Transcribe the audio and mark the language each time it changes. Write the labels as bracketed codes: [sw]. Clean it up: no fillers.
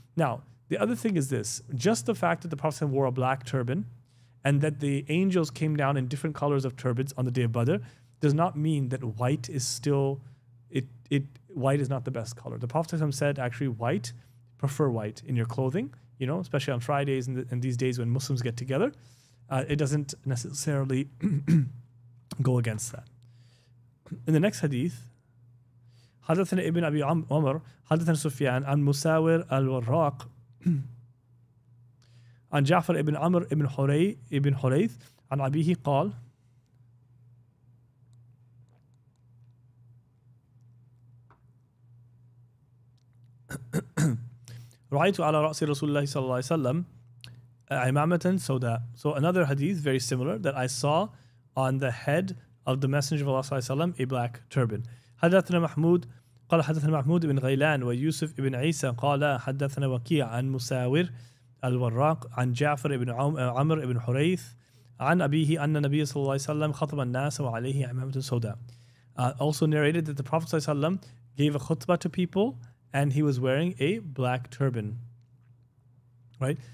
[en] Now, the other thing is this: just the fact that the Prophet wore a black turban, and that the angels came down in different colors of turbans on the day of Badr, does not mean that white is still, white is not the best color. The Prophet said, actually, white, prefer white in your clothing, you know, especially on Fridays and these days when Muslims get together. It doesn't necessarily go against that. In the next hadith, [ar] حدثنا ابن أبي عمر حدثنا سفيان عن مساور الوراق عن جعفر ابن عمر ابن حري ابن حريث عن أبيه قال رأيت على رأس رسول الله صلى الله عليه وسلم عمامة سوداء. [en] So another hadith very similar that I saw on the head of the Messenger of Allah صلى الله عليه وسلم, a black turban. [ar] حدثنا محمود قال حدثنا محمود بن غيلان ويوسف بن عيسى قال حدثنا وكيع عن مساور الوراق عن جعفر بن عمر بن حريث عن أبيه أن النبي صلى الله عليه وسلم خطب الناس وعليه عمامة سوداء. [en] Also narrated that the Prophet صلى الله عليه وسلم gave a khutbah to people and he was wearing a black turban, right?